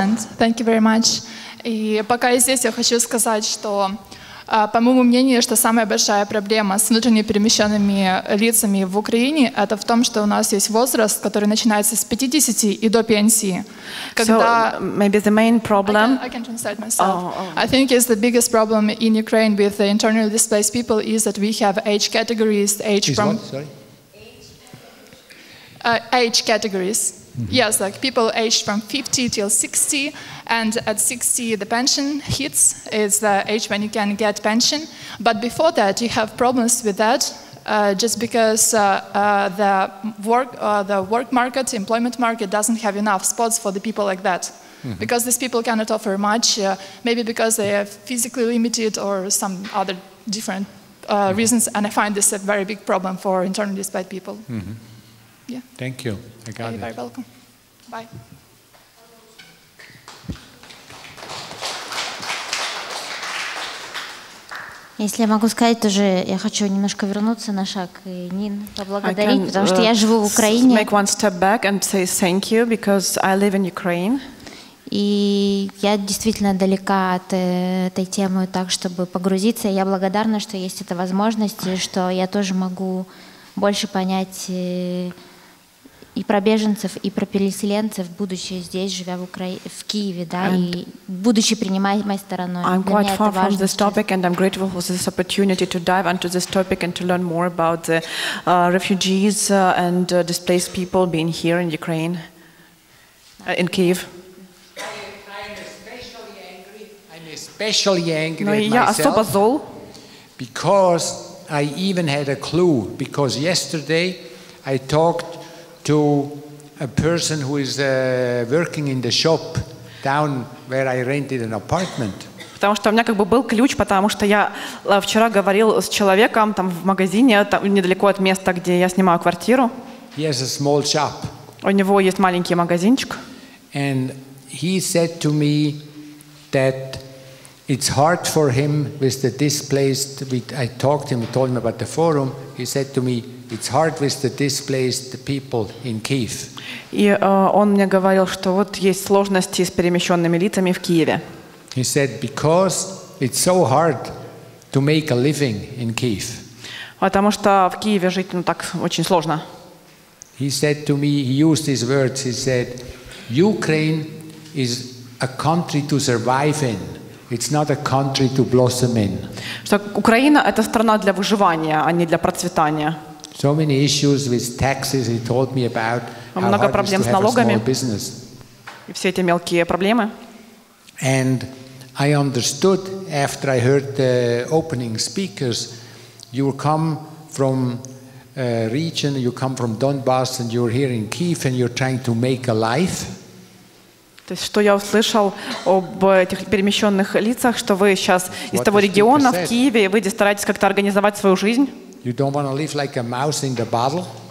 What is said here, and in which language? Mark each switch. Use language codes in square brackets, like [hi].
[en] Okay, understand. Thank you very much. [ru] И пока я здесь, я хочу сказать, что по моему мнению, что самая большая проблема с внутренне перемещенными лицами в Украине, это в том, что у нас есть возраст, который начинается с 50 и до пенсии. Когда [en] so, maybe the main problem... I can translate myself. I think it's the biggest problem in Ukraine with the internally displaced people is that we have age categories, age is from... Age categories. Mm-hmm. Yes, like people aged from 50 till 60, and at 60 the pension hits, it's the age when you can get pension. But before that, you have problems with that, just because the work market, employment market doesn't have enough spots for the people like that. Mm-hmm. Because these people cannot offer much, maybe because they are physically limited or some other different reasons, and I find this a very big problem for internally displaced people. Mm-hmm. Yeah. Thank you. I got You're Very welcome. Bye. [ru] Если я могу сказать тоже, я хочу немножко вернуться на шаг и Нин поблагодарить, потому что я живу в Украине. [en] Make one step back and say thank you because I live in Ukraine. [ru] И я действительно далека от этой темы так, чтобы погрузиться. Я благодарна, что есть эта возможность, и что я тоже могу больше понять и про беженцев, и про переселенцев, будучи здесь, живя в Украине, в Киеве, да, and и будучи принимаемой стороной. [en] I'm quite far from this topic, and I'm grateful for this opportunity to dive into this topic and to learn more about the refugees and displaced people being here in Ukraine, in Kiev. I'm especially angry at myself, because I even had a clue, because yesterday I talked to a person who is working in the shop down where I rented an apartment. [ru] Потому что у меня как бы был ключ, потому что я вчера говорил с человеком там в магазине, там недалеко от места, где я снимаю квартиру. [en] He has a small shop. [ru] У него есть маленький магазинчик. [en] And he said to me that it's hard for him with the displaced. I told him about the forum. He said to me, it's hard with the displaced people in Kyiv. [ru] И он мне говорил, что вот есть сложности с перемещенными лицами в Киеве. [en] He said because it's so hard to make a living in Kyiv. [ru] Потому что в Киеве жить ну так очень сложно. [en] He said to me, he used his words. He said, Ukraine is a country to survive in. It's not a country to blossom in. [ru] Что Украина это страна для выживания, а не для процветания. [en] So many issues with taxes. He told me about how hard it is to have a small business. [ru] И все эти мелкие проблемы. [en] And I understood after I heard the opening speakers, you come from a region, you come from Donbass, and you're here in Kyiv, and you're trying to make a life. [ru] То есть, что я услышал об этих перемещенных лицах, что вы сейчас из того региона в Киеве, и вы стараетесь как-то организовать свою жизнь? [en] You don't want to live like a mouse in the bottle.